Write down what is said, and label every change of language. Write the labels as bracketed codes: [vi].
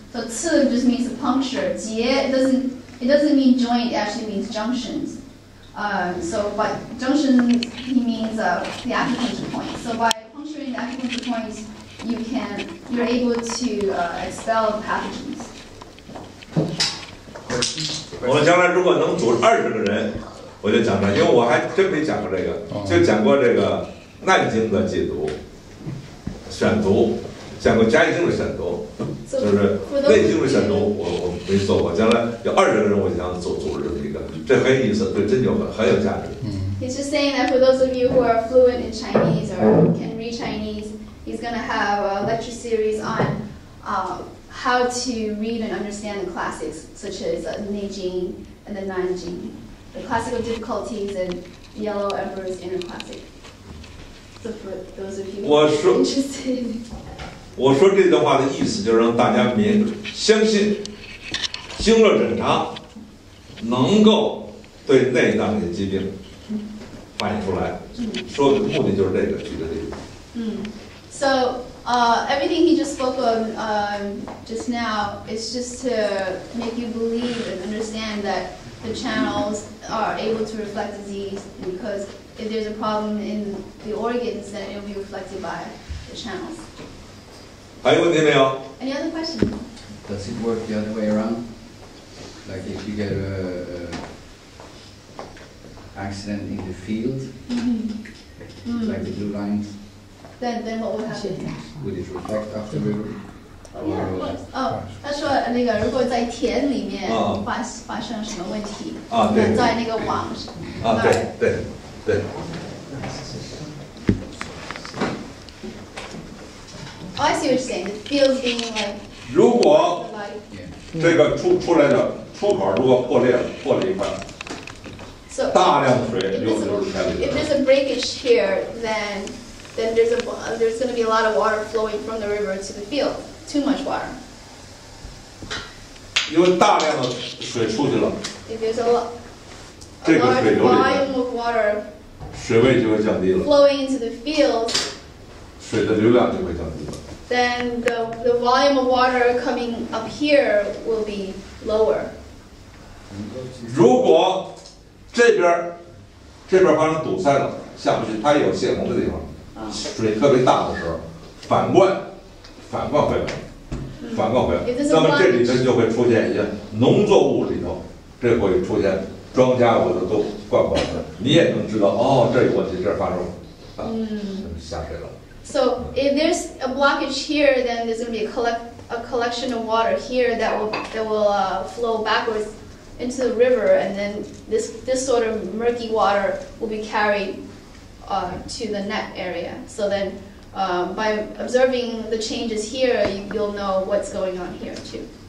[en] So 刺 just means a puncture. 节 doesn't. It doesn't mean joint, it actually means junctions. But junction, he means the acupuncture point. So by puncturing the acupuncture point, you're able to expel pathogens. [zh] 我将来如果能组20个人，我就讲了，因为我还真没讲过这个，就讲过这个耐经的解读、选读，讲过加一经的选读。就是内经的选读，我没做过。将来有20个人，我想组织一个，这很有意思，对针灸很有价值。 [en] He's just saying that for those of you who are fluent in Chinese or can read Chinese, he's going to have a lecture series on how to read and understand the classics, such as Neijing and the Nanjing, the classical difficulties and Yellow Emperor's Inner Classic. So for those of you who are interested. [zh] 我说这段话的意思就是让大家明相信经络诊查能够对内脏的疾病反映出来，说的目的就是这个，举的例子。 [en] So everything he just spoke of just now is just to make you believe and understand that the channels are able to reflect disease, because if there's a problem in the organs, then it will be reflected by the channels. [zh] 还有问题没有？ [en] Any other question? Does it work the other way around? Like if you get a accident in the field, like the blue lines, then what would happen? Would it reflect after the river? [zh] Oh, 他说那个如果在田里面发生什么问题，啊，在那个网上，啊，对对对。 [en] Oh, I see what you're saying. The field being like. [zh] 如果这个出来的出口如果破裂了，破了一块，大量的水流入开了。 [en] If there's a breakage here, then there's going to be a lot of water flowing from the river to the field. Too much water. [zh] 因为大量的水出去了。 [en] If there's a large volume of water, [zh] 水位就会降低了。 [en] Flowing into the field, [zh] 水的流量就会降低了。 [en] Then the volume of water coming up here will be lower. [zh] 如果这边发生堵塞了，下不去，它有泄洪的地方，水特别大的时候，反灌回来，那么这里边就会出现一些农作物里头，这会出现庄稼物的都灌不了，你也能知道，哦，这有问题，这发生下水了。 [en] So if there's a blockage here, then there's going to be a collection of water here that will flow backwards into the river, and then this sort of murky water will be carried to the net area. So then by observing the changes here, you'll know what's going on here too.